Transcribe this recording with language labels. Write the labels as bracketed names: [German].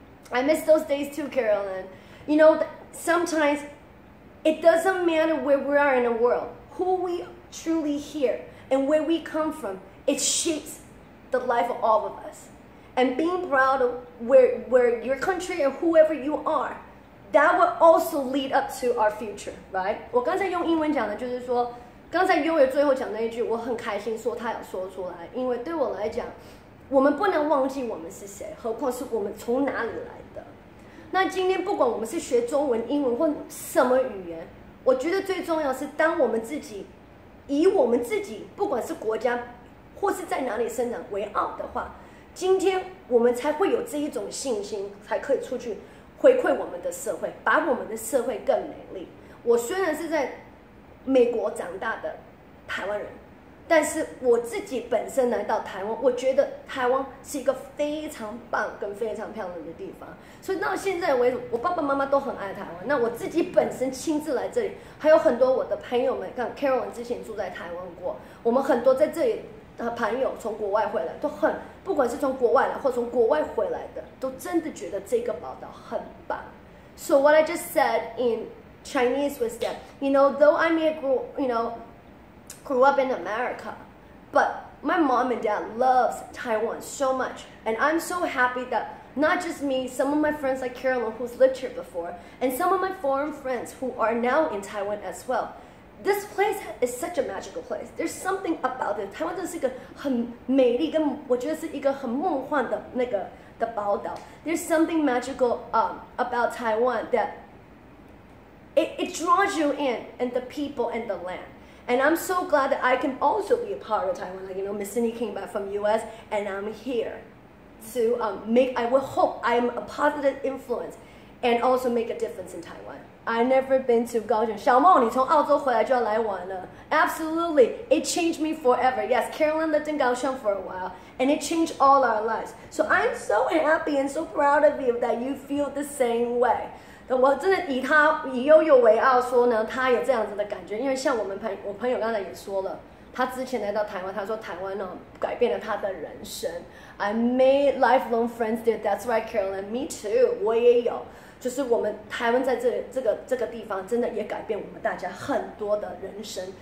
[English] I miss those days too, Carolyn. You know, sometimes it doesn't matter where we are in the world. Who we truly here and where we come from, it shapes the life of all of us. And being proud of where your country or whoever you are, that will also lead up to our future, right? [Chinese] 我刚才用英文讲的就是说，刚才悠悠最后讲那一句，我很开心说他有说出来，因为对我来讲，我们不能忘记我们是谁，何况是我们从哪里来的。那今天不管我们是学中文、英文或什么语言，我觉得最重要是当我们自己以我们自己，不管是国家或是在哪里生长为傲的话。今天我们才会有这一种信心，才可以出去回馈我们的社会，把我们的社会更美丽。我虽然是在美国长大的台湾人，但是我自己本身来到台湾，我觉得台湾是一个非常棒跟非常漂亮的地方。所以到现在为止，我爸爸妈妈都很爱台湾。那我自己本身亲自来这里，还有很多我的朋友们，像 Caroline 之前住在台湾过，我们很多在这里的朋友从国外回来，都很不管是从国外来或从国外回来的，都真的觉得这个宝岛很棒。 [English] So what I just said in Chinese was that, you know, though I may grow, you know. Grew up in America, but my mom and dad loves Taiwan so much, and I'm so happy that not just me, some of my friends like Carolyn who's lived here before, and some of my foreign friends who are now in Taiwan as well. This place is such a magical place. There's something about it. [Chinese] Taiwan 真的是一个很美丽，跟我觉得是一个很梦幻的那个的宝岛。 [English] There's something magical about Taiwan that it draws you in, and the people and the land. And I'm so glad that I can also be a part of Taiwan. Like, you know, Miss Cindy came back from US and I'm here to I will hope I'm a positive influence and also make a difference in Taiwan. I've never been to 高雄. [Chinese] 小梦,你从澳洲回来就要来玩了。 [English] Absolutely. It changed me forever. Yes, Carolyn lived in 高雄 for a while and it changed all our lives. So I'm so happy and so proud of you that you feel the same way. [Chinese] 我真的以悠悠为傲，说呢，他有这样子的感觉，因为像我朋友刚才也说了，他之前来到台湾，他说台湾呢改变了他的人生。 [English] I made lifelong friends there. That's right, Carolyn. Me too. [Chinese] 我也有，就是我们台湾在这个地方，真的也改变我们大家很多的人生。